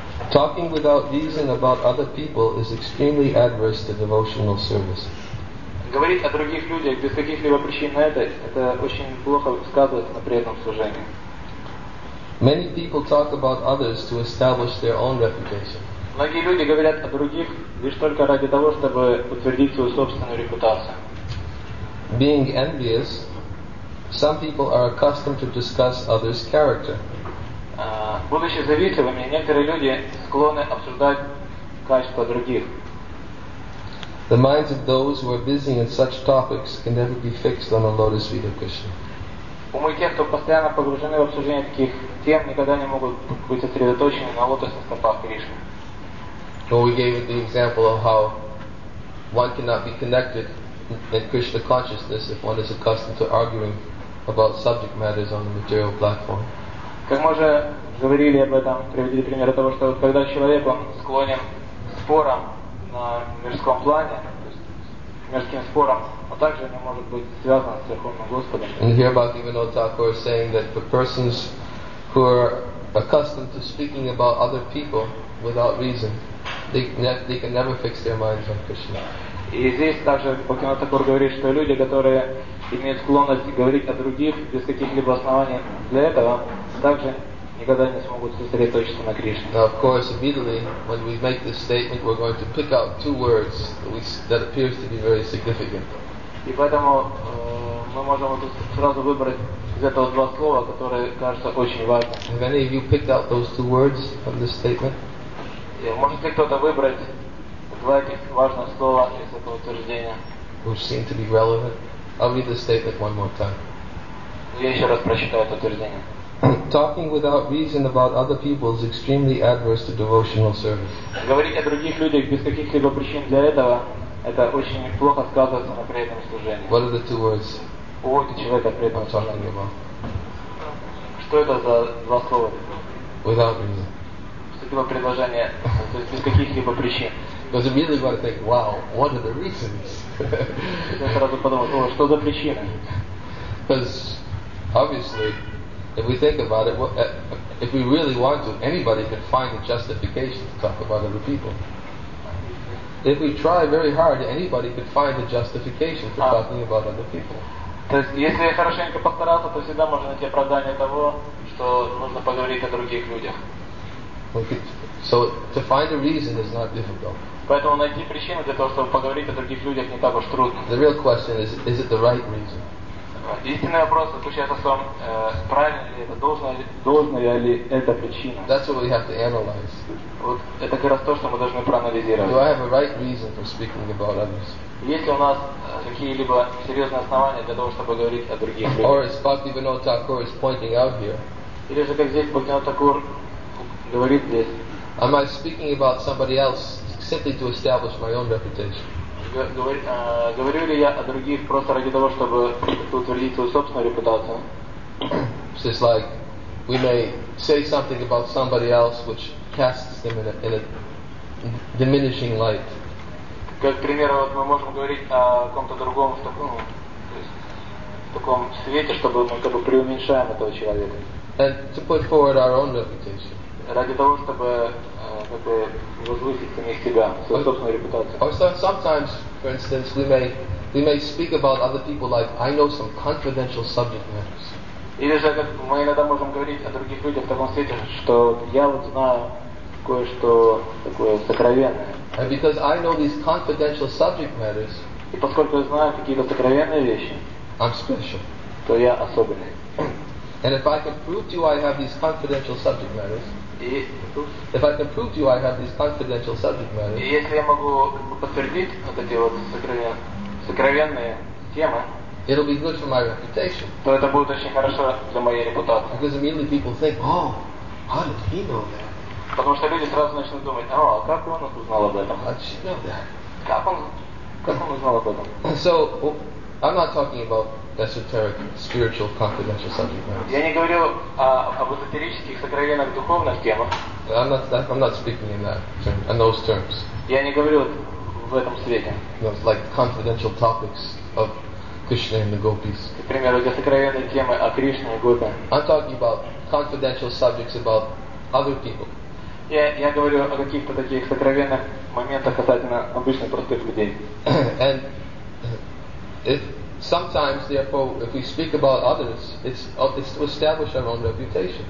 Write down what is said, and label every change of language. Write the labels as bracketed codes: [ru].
[en] Talking without reason about other people is extremely adverse to devotional service. [ru] Говорить о других людях без каких-либо причин на это очень плохо сказывается на преданном служении. [en] Many people talk about others to establish their own reputation. [ru] Многие люди говорят о других лишь только ради того, чтобы утвердить свою собственную репутацию. [en] Being envious, some people are accustomed to discuss others' character. [ru] Будучи завистливыми, некоторые люди склонны обсуждать качества других. [en] The minds of those who are busy in such topics can never be fixed on the lotus feet of Krishna. [ru] Умы тех, кто постоянно погружены в обсуждение таких тем, никогда не могут быть сосредоточены на лотосных стопах Кришны. [en] Well, we gave the example of how one cannot be connected in Krishna consciousness if one is accustomed to arguing about subject matters on the material platform. [ru] Как мы уже говорили об этом, приводили пример того, что вот когда человек склонен к спорам на мирском плане, мирским спором, а также не может быть связан с Верховным Господом. [en] And here Bhaktivinoda Thakur is saying that for persons who are accustomed to speaking about other people without reason, they can never fix their minds on Krishna. [ru] И здесь также Бхактивинода Такур говорит, что люди, которые имеют склонность говорить о других без каких-либо оснований для этого, также никогда не смогут сосредоточиться на Кришне. [en] Now, of course, immediately, when we make this statement, we're going to pick out two words that appears to be very significant. [ru] И поэтому мы можем сразу выбрать из этого два слова, которые кажутся очень важными. [en] Have any of you picked out those two words from this statement? [ru] Может ли кто-то выбрать два этих важных слова из этого утверждения? [en] Which seem to be relevant. I'll read the statement one more time. [ru] Я еще раз прочитаю это утверждение. [en] Talking without reason about other people is extremely adverse to devotional service. [ru] Говорить о других людях без каких-либо причин для этого – это очень плохо сказывается на преданном служении. [en] What are the two words? [ru] Вот и человек о преданном служении. Что это за два слова? [en] Without reason. [ru] Что-либо предложение, то есть без каких-либо причин. [en] Because immediately you've got to think, wow, what are the reasons? [ru] Я сразу подумал, что за причины? [en] Because obviously, if we think about it, if we really want to, anybody can find a justification to talk about other people. If we try very hard, anybody can find a justification for talking about other people. [ru] То есть, если хорошенько постараться, то всегда можно найти оправдание того, что нужно поговорить о других людях. [en] So to find a reason is not difficult. [ru] Поэтому найти причину для того, чтобы поговорить о других людях, не так уж трудно. [en] The real question is it the right reason? [ru] Истинный вопрос заключается в том, правильно ли это, должна ли это причина. [en] That's what we have to analyze. [ru] Вот это как раз то, что мы должны проанализировать. [en] Do I have a right reason for speaking about others? [ru] Есть ли у нас какие-либо серьезные основания для того, чтобы говорить о других людях? [en] Or as Bhaktivinoda Thakur is pointing out here. [ru] Или же как здесь Бхактивинода Такур говорит здесь. [en] Am I speaking about somebody else simply to establish my own reputation? [ru] Говорю ли я о других просто ради того, чтобы утвердить свою собственную репутацию? [en] It's just like we may say something about somebody else which casts them in a diminishing light. [ru] Как пример, вот мы можем говорить о ком-то другом в таком, то есть таком свете, чтобы мы как бы преуменьшаем этого человека. [en] And to put forward our own reputation. [ru] Ради того, чтобы как бы возвысить самих себя, свою собственную репутацию. [en] Also, sometimes, for instance, we may speak about other people like I know some confidential subject matters. [ru] Или же мы иногда можем говорить о других людях в таком свете, что я вот знаю кое-что такое сокровенное. [en] And because I know these confidential subject matters, [ru] и поскольку я знаю какие-то сокровенные вещи, [en] I'm special. [ru] То я особенный. [en] And if I can prove to you I have these confidential subject matters, [ru] и если я могу подтвердить вот эти вот сокровенные темы, [en] it'll be good for my reputation. [ru] То это будет очень хорошо для моей репутации. [en] Because immediately people think, oh, how did he know that? [ru] Потому что люди сразу начнут думать, а как он узнал об этом? [en] How did she know that? [ru] Как он узнал об этом? [en] So, I'm not talking about esoteric, spiritual, confidential subject matters. [ru] Я не говорю об эзотерических, сокровенных, духовных темах. [en] I'm not speaking in that term, in those terms. [ru] Я не говорю в этом свете. [en] No, like confidential topics of Krishna and the gopis. [ru] Например, эти сокровенные темы о Кришне и Гопи. [en] I'm talking about confidential subjects about other people. [ru] Я говорю о каких-то таких сокровенных моментах касательно обычных простых людей. [en] And if sometimes, therefore, if we speak about others, it's to establish our own reputation.